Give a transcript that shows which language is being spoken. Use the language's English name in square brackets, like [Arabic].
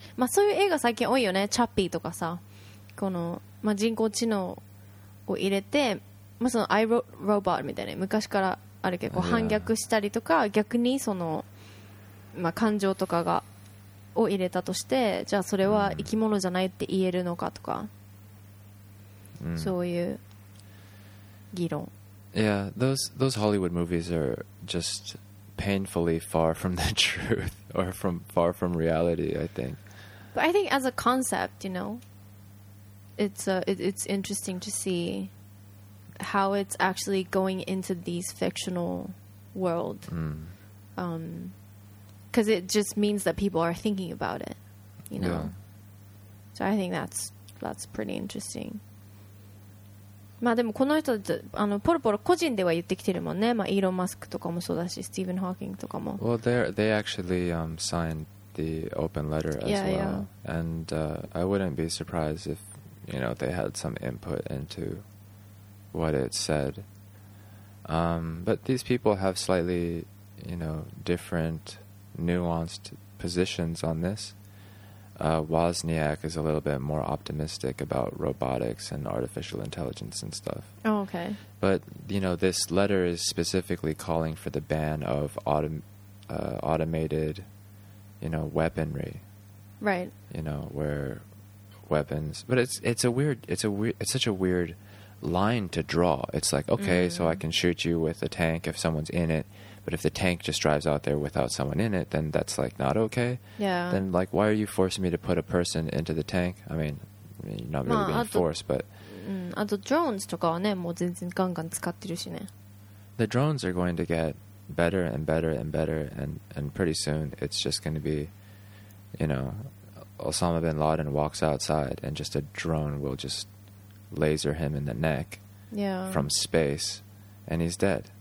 [Japanese] まあそういう映画最近多いよね。チャッピーとかさ、このまあ人工知能を入れて、まあそのアイロボットみたいな昔から。あれ結構反逆したりとか逆にその、まあ、感情とかがを入れたとしてじゃあそれは生き物じゃないって言えるのかとか、 mm. そういう議論。 [English] Yeah, those Hollywood movies are just painfully far from the truth or from far from reality, I think. But I think as a concept, you know, it's interesting to seeHow it's actually going into these fictional world. Because it just means that people are thinking about it, you know. Yeah. So I think that's pretty interesting. [Japanese] まあでもこの人ってあのポロポロ個人では言ってきてるもんね。まあイーロン・マスクとかもそうだし、スティーブン・ホーキングとかも。 [English] Well, they actually signed the open letter as well. Yeah. And I wouldn't be surprised if, you know, they had some input into... what it said. But these people have slightly, you know, different nuanced positions on this. Wozniak is a little bit more optimistic about robotics and artificial intelligence and stuff. Oh, okay. But, you know, this letter is specifically calling for the ban of automated, you know, weaponry. Right. You know, where weapons... But it's such a weird line to draw. It's like, okay, so I can shoot you with a tank if someone's in it. But if the tank just drives out there without someone in it, then that's, like, not okay. Yeah. Then, like, why are you forcing me to put a person into the tank? I mean you're not really being forced, but... [Japanese] あとドローンズとかはね、もう全然ガンガン使ってるしね。 [English] The drones are going to get better and better and better, and pretty soon it's just going to be, you know, Osama bin Laden walks outside and just a drone will just laser him in the neck from space, and he's dead.